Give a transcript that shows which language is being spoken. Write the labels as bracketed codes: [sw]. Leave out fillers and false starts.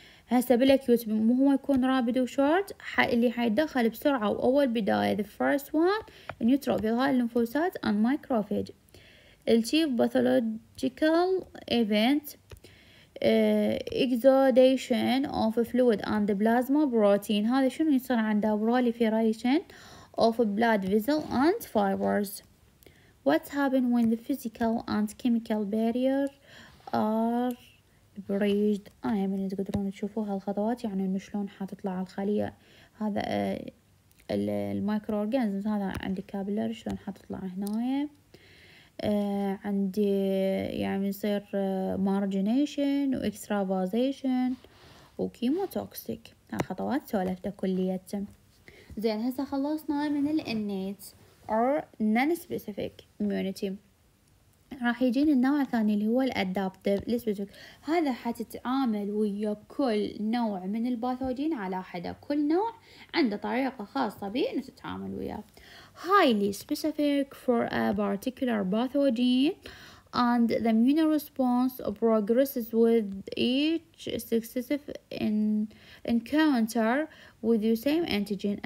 [ar] هسه بالاكيوت مو هو يكون رابد وشورت، اللي حيدخل بسرعة واول بداية [en] the first one [ar] نيوتروفيل هاي الليمفوسايت اند مايكروفاج. [en] التشيف pathological event exudation of fluid and plasma protein. [ar] هذا شنو يصير عنده؟ [en] Proliferation of blood vessels and fibers. What happens when the physical and chemical barrier are breached? I mean [ar] تقدرون تشوفوا هالخطوات يعني انه شلون حتطلع الخلية هذا المايكرو اورجانزم هذا عندي كابلر شلون حتطلع هناية. عندي يعني يصير مارجينيشن واكسترافازيشن وكيموتوكسيك. هالخطوات سولفتها كليتهم. زين هسه خلصنا من الانيت [en] or non-specific immunity، [ar] راح يجينا النوع الثاني اللي هو الادابتيف specific. هذا حتتعامل ويا كل نوع من الباثوجين على حدة، كل نوع عنده طريقة خاصة به انه تتعامل وياه. [en] highly specific for a particular pathogen and the immune response progresses with each successive encounter with the same antigen.